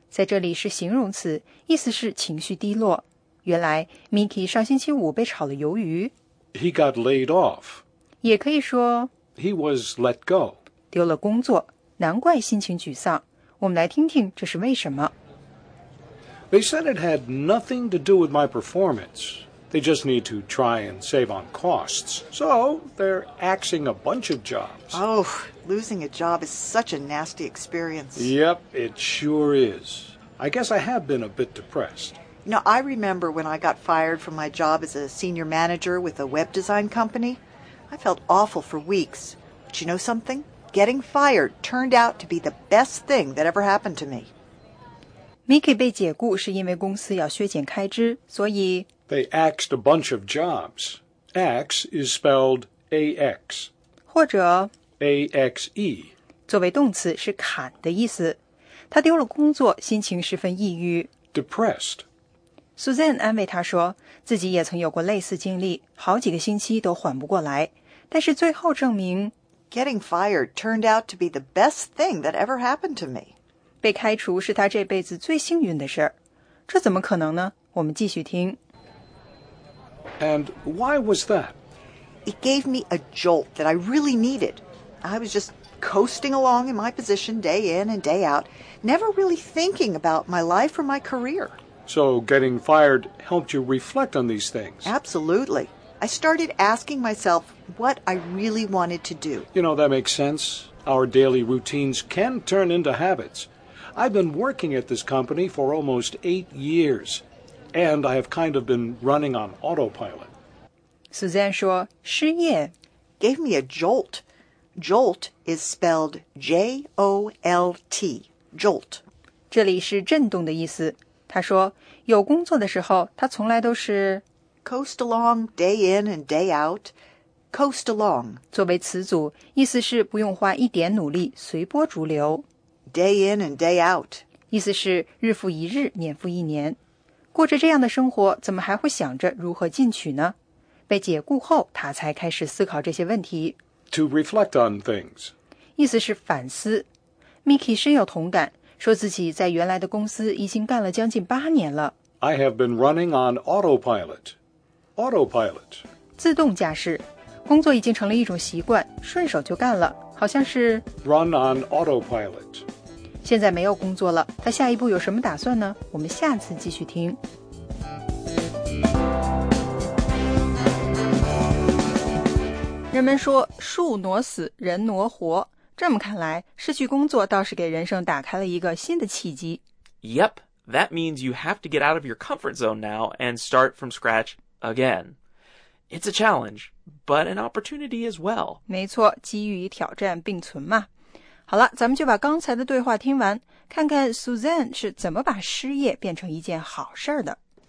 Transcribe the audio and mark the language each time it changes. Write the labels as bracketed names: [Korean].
[Chinese] 在这里是形容词，意思是情绪低落。原来 Mickey 上星期五被炒了鱿鱼。 [English] He got laid off. [Chinese] 也可以说 [English] He was let go. [Chinese] 丢了工作，难怪心情沮丧。我们来听听这是为什么。 [English] They said it had nothing to do with my performance. They just need to try and save on costs. So, they're axing a bunch of jobs. Oh, losing a job is such a nasty experience. Yep, it sure is. I guess I have been a bit depressed. Now, I remember when I got fired from my job as a senior manager with a web design company. I felt awful for weeks. But you know something? Getting fired turned out to be the best thing that ever happened to me. [Chinese] Mickey 被解雇是因为公司要削减开支，所以 [English] They axed a bunch of jobs. Axe is spelled A-X. [Chinese] 或者 [English] A-X-E. [Chinese] 作为动词是砍的意思。他丢了工作，心情十分抑郁。 [English] Depressed. [Chinese] Suzanne 安慰他说，自己也曾有过类似经历，好几个星期都缓不过来。但是最后证明 [English] ，Getting fired turned out to be the best thing that ever happened to me. [Chinese] 被开除是他这辈子最幸运的事儿。这怎么可能呢？我们继续听。 [English] And why was that? It gave me a jolt that I really needed. I was just coasting along in my position day in and day out, never really thinking about my life or my career. So getting fired helped you reflect on these things. Absolutely. I started asking myself what I really wanted to do. You know, that makes sense. Our daily routines can turn into habits. I've been working at this company for almost 8 years, and I have kind of been running on autopilot. [Chinese] Suzanne 说失业 [English] gave me a jolt. Jolt is spelled J-O-L-T, jolt. [Chinese] 这里是震动的意思。他说有工作的时候他从来都是 [English] coast along day in and day out, coast along [Chinese] 作为词组意思是不用花一点努力随波逐流 [English] day in and day out [Chinese] 意思是日复一日年复一年过着这样的生活怎么还会想着如何进取呢被解雇后他才开始思考这些问题 [English] to reflect on things [Chinese] 意思是反思 Mickey 深有同感说自己在原来的公司已经干了将近八年了。 [English] I have been running on autopilot. Autopilot. [Chinese] 自动驾驶。工作已经成了一种习惯，顺手就干了，好像是 [English] Run on autopilot. [Chinese] 现在没有工作了，他下一步有什么打算呢？我们下次继续听。人们说，树挪死，人挪活。这么看来，失去工作倒是给人生打开了一个新的契机。 [English] Yep, that means you have to get out of your comfort zone now and start from scratch again. It's a challenge, but an opportunity as well. [Chinese] 没错，机遇与挑战并存嘛。好了，咱们就把刚才的对话听完，看看 Suzanne 是怎么把失业变成一件好事的。